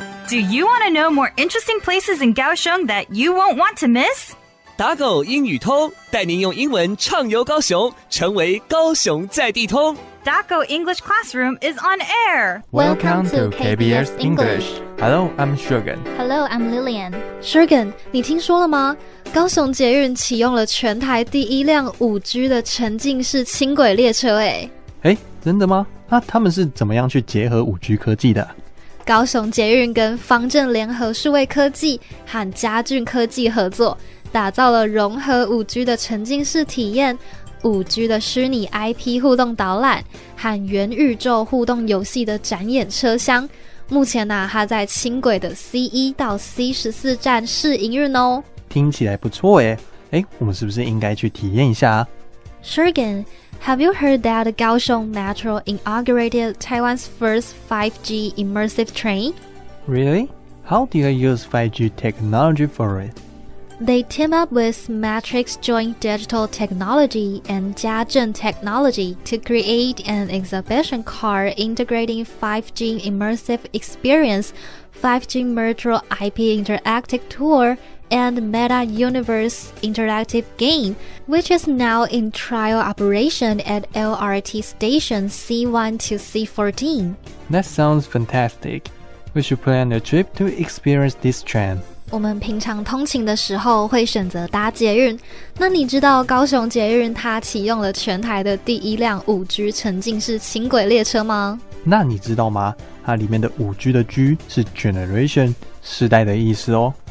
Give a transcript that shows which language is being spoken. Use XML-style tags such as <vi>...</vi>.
<en>Do you want to know more interesting places in Kaohsiung that you won't want to miss?</en> <zh>打狗英语通，带您用英文畅游高雄，成为高雄在地通。</zh> <en>Daco English Classroom is on air. Welcome to KBS English. Hello, I'm Shergan. Hello, I'm Lillian.</en> <zh>Shergan, 你听说了吗？高雄捷运启用了全台第一辆 5G 的沉浸式轻轨列车诶。诶，真的吗？那他们是怎么样去结合 5G 科技的？高雄捷运跟方正联合数位科技和嘉俊科技合作，打造了融合 5G 的沉浸式体验，5G 的虚拟 IP 互动导览和元宇宙互动游戏的展演车厢，目前呢、它在轻轨的 C1 到 C14 站试营运哦。听起来不错耶，我们是不是应该去体验一下啊？</zh> <en>Shergan, have you heard that Kaohsiung Metro inaugurated Taiwan's first 5G immersive train? Really? How do you use 5G technology for it? They team up with Matrix Joint Digital Technology and Jiazhen Technology to create an exhibition car integrating 5G immersive experience, 5G Metro IP interactive tour, and Meta Universe interactive game, which is now in trial operation at LRT station C1 to C14. That sounds fantastic. We should plan a trip to experience this train.</en> <zh>我们平常通勤的时候会选择搭捷运，那你知道高雄捷运它启用了全台的第一辆 5G 沉浸式轻轨列车吗？那你知道吗？它里面的 5G 的 G 是 generation 世代的意思哦。</zh>